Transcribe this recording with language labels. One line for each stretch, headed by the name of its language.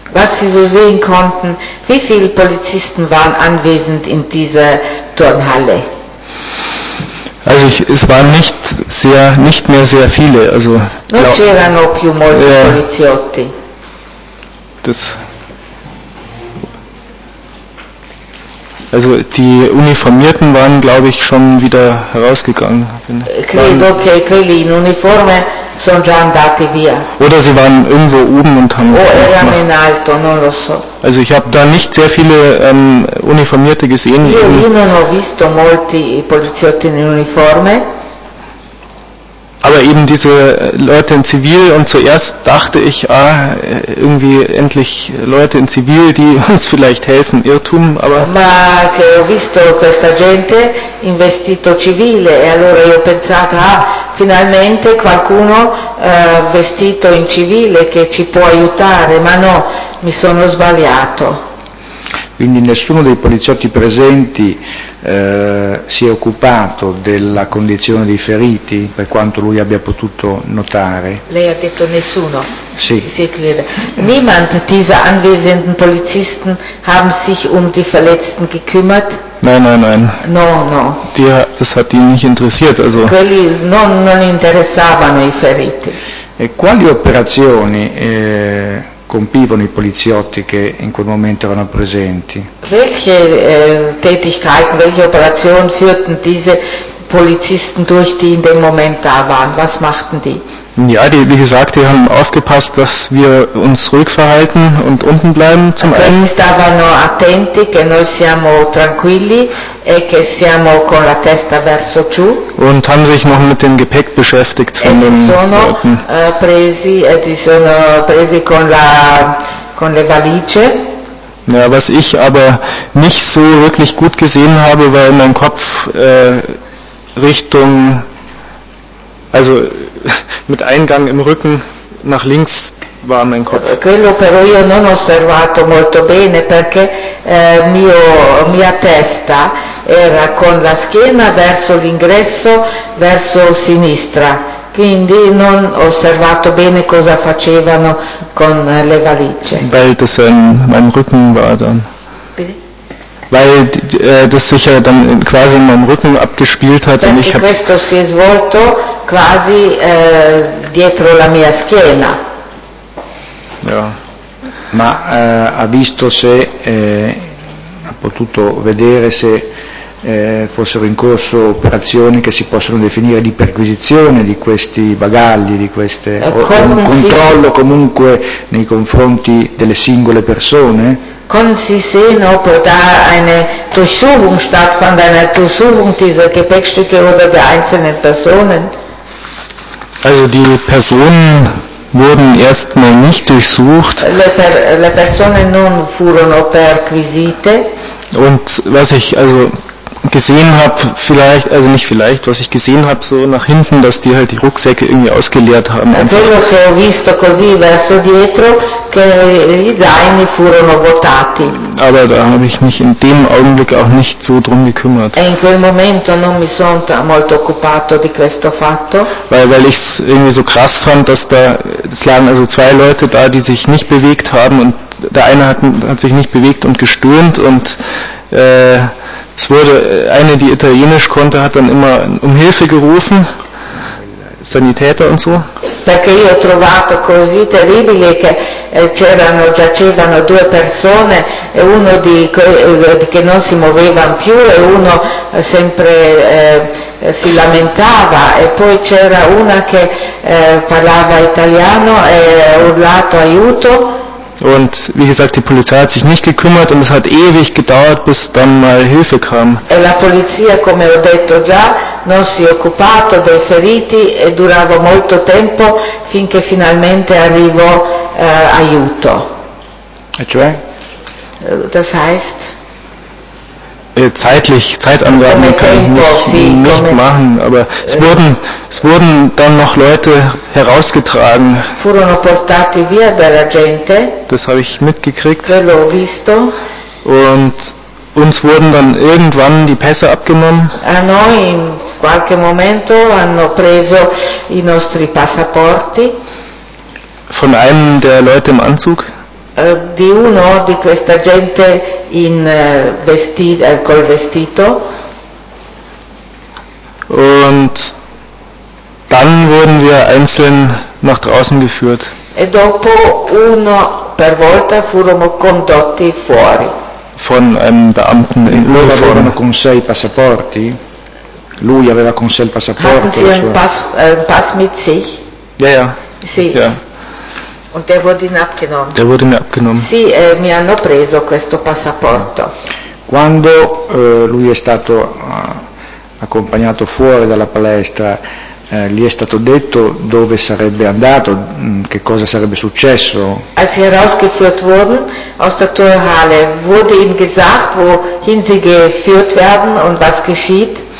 German: Was Sie so sehen konnten, wie viele Polizisten waren anwesend in dieser Turnhalle? Also es waren nicht mehr sehr viele. Also,
Italian: non c'erano più molti poliziotti.
German: Das, also die Uniformierten waren, glaube ich, schon wieder herausgegangen.
Italian: Credo che quelli in uniforme sono già andati via.
German: Oder sie waren irgendwo oben und haben
Italian: erano in alto, non lo so.
German: Also ich habe da nicht sehr viele Uniformierte gesehen.
Italian: Io non ho visto molti poliziotti in uniforme.
German: Aber eben diese Leute in Zivil, und zuerst dachte ich, ah, irgendwie endlich Leute in Zivil, die uns vielleicht helfen, Irrtum, aber.
Italian: Ma che ho visto questa gente in vestito civile, e allora io ho pensato, ah, finalmente qualcuno vestito in civile che ci può aiutare, ma no, mi sono sbagliato. Quindi nessuno dei poliziotti presenti si è occupato della condizione dei feriti, per quanto lui abbia potuto notare. Lei ha detto nessuno. Sì. Si è chiede.
German: Niemand dieser anwesenden Polizisten haben sich um die Verletzten gekümmert. Nein.
Italian: No.
German: Das hat ihn nicht interessiert, also.
Italian: Quelli non interessavano i feriti. E quali operazioni compivano i poliziotti che in quel momento erano presenti?
German: Welche Tätigkeiten, welche Operationen führten diese Polizisten durch, die in dem Moment da waren? Was machten die? Ja, die, wie gesagt, die haben aufgepasst, dass wir uns ruhig verhalten und unten bleiben zum
Italian: quelli
German: einen.
Italian: Stavano attenti che noi siamo tranquilli e che siamo con la testa verso giù.
German: Und haben sich noch mit dem Gepäck beschäftigt von
Italian: e
German: den
Italian: sono,
German: Leuten.
Italian: Si sono presi con le valigie.
German: Ja, was ich aber nicht so wirklich gut gesehen habe, weil mein Kopf Richtung, also mit Eingang im Rücken nach links war mein Kopf.
Italian: Quello però io non ho osservato molto bene perché mia testa era con la schiena verso l'ingresso, verso sinistra, Quindi non ho osservato bene cosa facevano con le valigie.
German: Weil das in meinem Rücken war dann. Bitte? Weil das sich ja dann quasi in meinem Rücken abgespielt hat.
Italian: Perché
German: und ich
Italian: questo si è svolto quasi dietro la mia schiena.
German: Ja.
Italian: Ma ha visto se ha potuto vedere se fossero in corso operazioni che si possono definire di perquisizione di questi bagagli, di queste un controllo comunque nei confronti delle singole persone?
German: Können Sie sehen, ob da eine Durchsuchung stattfand, eine Durchsuchung dieser Gepäckstücke oder der einzelnen Personen? Also die Personen wurden erstmal nicht durchsucht.
Italian: Le persone non furono perquisite.
German: Und was ich also gesehen habe, vielleicht, also nicht vielleicht, was ich gesehen habe, so nach hinten, dass die halt die Rucksäcke irgendwie ausgeleert haben.
Italian: Quello che ho visto così verso dietro, che i zaini furono vuotati.
German: Aber da habe ich mich in dem Augenblick auch nicht so drum gekümmert.
Italian: E in quel momento non mi sono molto occupato di questo fatto.
German: Weil ich es irgendwie so krass fand, dass da, es lagen also zwei Leute da, die sich nicht bewegt haben und der eine hat sich nicht bewegt und gestöhnt und es wurde, eine, die Italienisch konnte, hat dann immer um Hilfe gerufen, Sanitäter und so.
Italian: Perché io ho trovato così terribile che c'erano, giacevano due persone, e uno di che non si muovevano più e uno sempre si lamentava, e poi c'era una che parlava italiano e ha urlato aiuto.
German: Und wie gesagt, die Polizei hat sich nicht gekümmert und es hat ewig gedauert, bis dann mal Hilfe kam.
Italian: E la polizia, come ho detto già, non si è occupato dei feriti e durava molto tempo finché finalmente arrivò aiuto. E cioè?
German: Das heißt? Zeitlich, Zeitangaben kann ich nicht machen, aber es wurden dann noch Leute herausgetragen.
Italian: Furono portati via dalla gente.
German: Das habe ich mitgekriegt.
Italian: L'ho visto.
German: Und uns wurden dann irgendwann die Pässe abgenommen.
Italian: A noi in qualche momento hanno preso i nostri passaporti.
German: Von einem der Leute im Anzug.
Italian: Di uno di questa gente in vestito, col vestito.
German: Und dann wurden wir einzeln nach draußen geführt.
Italian: E dopo uno per volta furono condotti fuori.
German: Von einem Beamten in Uniform.
Italian: Loro avevano con sé i passaporti. Lui aveva con sé il passaporto.
German: Hatten Sie einen Pass mit sich? Ja, ja.
Italian: Sì.
German: Ja. Und der wurde Ihnen abgenommen. Der wurde mir abgenommen.
Italian: Sì, mi hanno preso questo passaporto. Quando lui è stato accompagnato fuori dalla palestra, gli è stato detto dove sarebbe andato, che cosa sarebbe successo?
German: Als sie rausgeführt wurden aus der Turnhalle, wurde ihnen gesagt, wohin sie geführt werden und was geschieht?